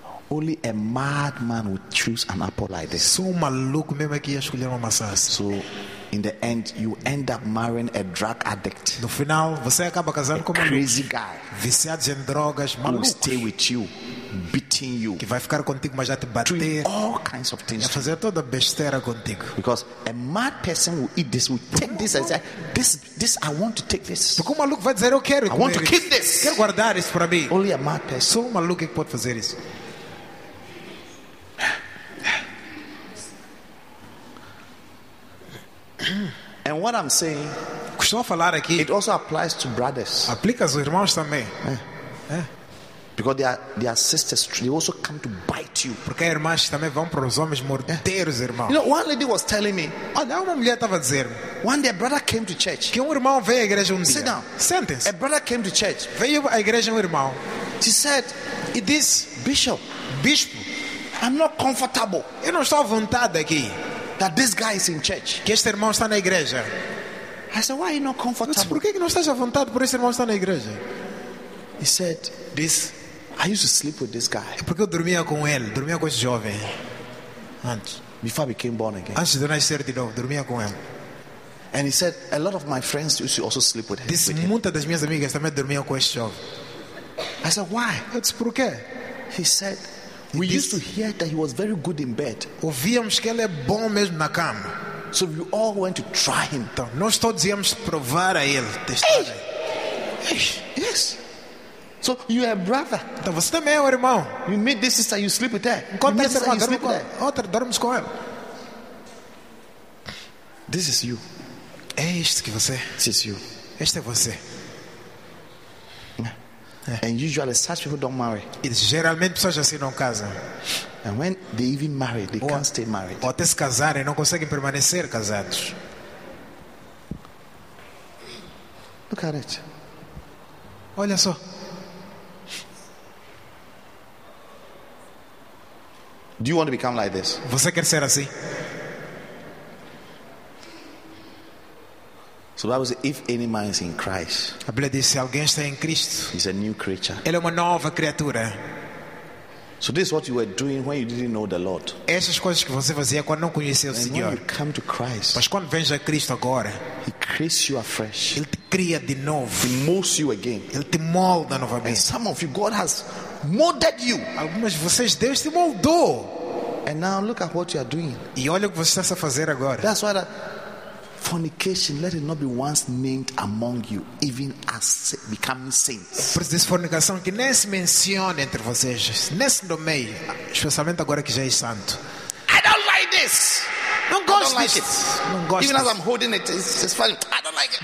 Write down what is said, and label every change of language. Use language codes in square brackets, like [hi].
[en] Only a madman would choose an apple like this. [pt] Só um maluco mesmo aqui ia escolher uma maçã. [en] So, in the end, you end up marrying a drug addict. [pt] No final, você acaba casando com um [en] crazy guy. [pt] Viciados em drogas, maluco. [en] Who will stay with you, beating you. [pt] Que vai ficar contigo, mas já te bater. [en] Doing all kinds of things. [pt] Vai fazer toda besteira contigo. [en] Because a mad person will eat this, will take this and say, this I want to take this. [pt] Porque um maluco vai dizer, eu quero. [en] I want to keep this. [pt] Quero guardar isso para mim. [en] Only a mad person. [pt] Só um maluco que pode fazer isso. [en] And what I'm saying, [pt] costumo falar aqui, [en] it also applies to brothers. [pt] Aplica aos irmãos também. [en] Because they are sisters, they also come to bite you. [pt] Porque as irmãs também vão para os homens morder os irmãos. [en] You know, one lady was telling me, [pt] olha, uma mulher estava a dizer-me, [en] one day a brother came to church. [pt] Que irmão veio à igreja um dia. [en] Sit down. [pt] Sente-se. [en] A brother came to church. [pt] Veio à igreja irmão. [en] She said, "It is bishop, [pt] bispo. [en] I'm not comfortable. [pt] Eu não estou à vontade aqui." [en] That this guy is in church. [pt] Que este irmão está na igreja. [en] I said, "Why are you not comfortable?" [pt] Disse, por que não estás à vontade por este irmão estar na igreja? [en] He said, "This, I used to sleep with this guy." [pt] Porque eu dormia com ele, dormia com esse jovem antes. [en] Before I became born again. [pt] Antes de nascer de novo, dormia com ele. [en] And he said, "A lot of my friends used to also sleep with him." [pt] Disse, muitas das minhas amigas também dormiam com esse jovem. [en] I said, "Why?" [pt] Eu disse, por quê? [en] He said, "We used to hear that he was very good in bed." [pt] Ouvíamos que ele é bom mesmo na cama. [en] So we all went to try him. [pt] Então, nós todos íamos provar a ele, testar. [en] Yes. So you are a brother. [pt] Então você também é um irmão. [en] You meet this sister, you sleep with her. [pt] Enquanto essa irmã dorme com ela. Outra dorme com ela. [en] This is you. [pt] É isto que você. [en] This is you. [pt] Este é você. [en] And usually such people don't marry. It's [pt] geralmente pessoas assim não casam. [en] And when they even marry, they can't stay married. [pt] Ou até se casarem, não conseguem permanecer casados. [en] Look at it. [pt] Olha só. [en] Do you want to become like this? [pt] Você quer ser assim? [en] So that was if any man is in Christ. [pt] A Bíblia diz, se alguém está em Cristo, [en] he's a new creature. [pt] Ele é uma nova criatura. [en] So this is what you were doing when you didn't know the Lord. [pt] Essas coisas que você fazia quando não conhecia o Senhor. [en] When you come to Christ, [pt] mas quando vens a Cristo agora, [en] he creates you afresh. [pt] Ele te cria de novo. [en] He molds you again. [pt] Ele te molda novamente. [en] And some of you, God has molded you. [pt] Algumas de vocês Deus te moldou. [en] And now look at what you are doing. [pt] E olha o que você está a fazer agora. [en] That's why fornication, let it not be once named among you, even as becoming saints. [pt] Por isso, fornicação que nem se menciona entre vocês, nesse domínio, especialmente agora que já é santo. [en] I don't like this. [pt] Não gosto. [en] I don't like it. [pt] Não gosto. [en] Even as I'm holding it, it's funny. I don't like it.